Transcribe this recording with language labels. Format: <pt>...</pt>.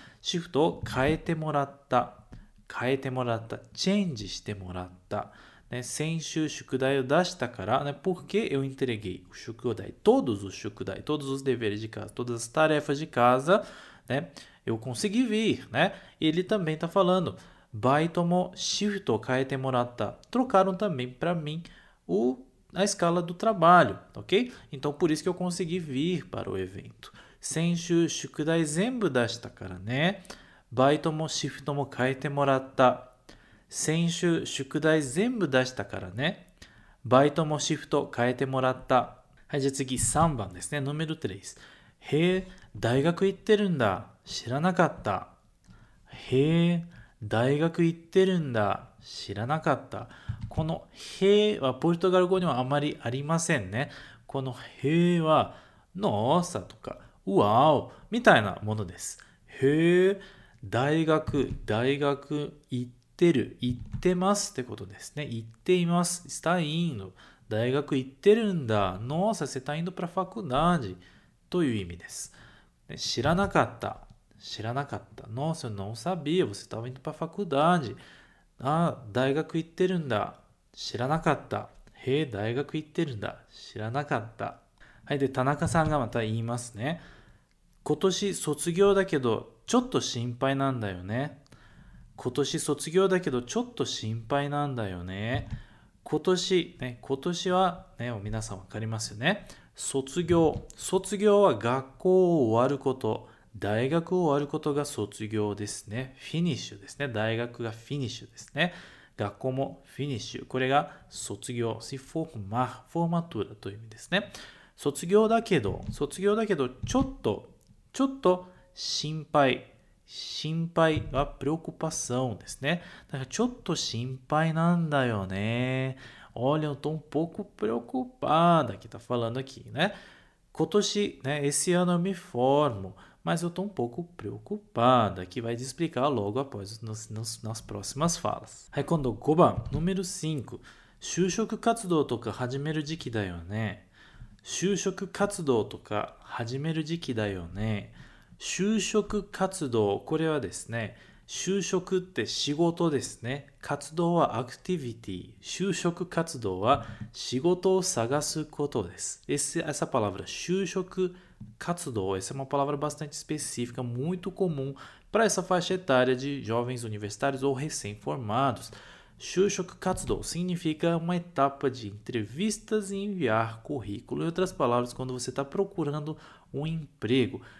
<ja>シフトを変えてもらった、変えてもらった、チェンジしてもらった、ね、先週宿題を出したから、ね、</ja> <pt>porque eu entreguei o 宿題、todos os 宿題、todos os deveres de casa、todas as tarefas de casa、ね、eu consegui vir、ね、ele também está falando、</pt> <ja>バイトもシフトを変えてもらった、</ja> <pt>trocaram também para mim o, a escala do trabalho、ok? Então por isso que eu consegui vir para o evento。</pt> <ja>先週宿題全部出したからね。バイトもシフトも変えてもらった。先週宿題全部出したからね。バイトもシフト変えてもらった。はい、じゃあ次3番ですね。</ja> <pt>número 3。</pt> <ja>へえ、大学行ってるんだ。知らなかった。へえ、大学行ってるんだ。知らなかった。このへえはポルトガル語にはあまりありませんね。このへえは、のーさとか、うわおみたいなものです。へえ、大学、大学行ってる、行ってますってことですね。行っています。</ja> <pt>está indo。</pt> <ja>大学行ってるんだ。</ja> <pt>nossa, você está indo para a faculdade。</pt> <ja>という意味です。で、知らなかった。知らなかった。</ja> <pt>nossa, eu não sabia. você estava indo para a faculdade。</pt> <ja>ああ、大学行ってるんだ。知らなかった。へえ、大学行ってるんだ。知らなかった。はい、で、田中さんがまた言いますね。今年卒業だけど、ちょっと心配なんだよね。今年卒業だけど、ちょっと心配なんだよね。今年、ね、今年は、ね、皆さんわかりますよね。卒業。卒業は学校を終わること。大学を終わることが卒業ですね。フィニッシュですね。大学がフィニッシュですね。学校もフィニッシュ。これが卒業。</ja> <pt>se formar、</pt> <ja>formatura という意味ですね。卒業だけど、卒業だけど、ちょっと、ちょっと心配。心配は preocupação ですね。だからちょっと心配なんだよね。</ja> <pt>Olha, eu tô um pouco preocupada que tá falando aqui, né? 今年、ね、esse ano eu me formo, mas eu tô um pouco preocupada, que vai te explicar logo após nas próximas falas.</pt> <ja>はい、今度5番、</ja> <pt>número 5.</pt> <ja>就職活動とか始める時期だよね。就職活動とか始める時期だよね。就職活動、これはですね、就職って仕事ですね。活動はアクティビティ。就職活動は仕事を探すことです。</ja> <pt>Essa palavra, 就職活動、essa é uma palavra bastante específica, muito comum para essa faixa etária de jovens universitários ou recém-formados. 就職活動 significa uma etapa de entrevistas e enviar currículo. Em outras palavras, quando você está procurando um emprego.</pt>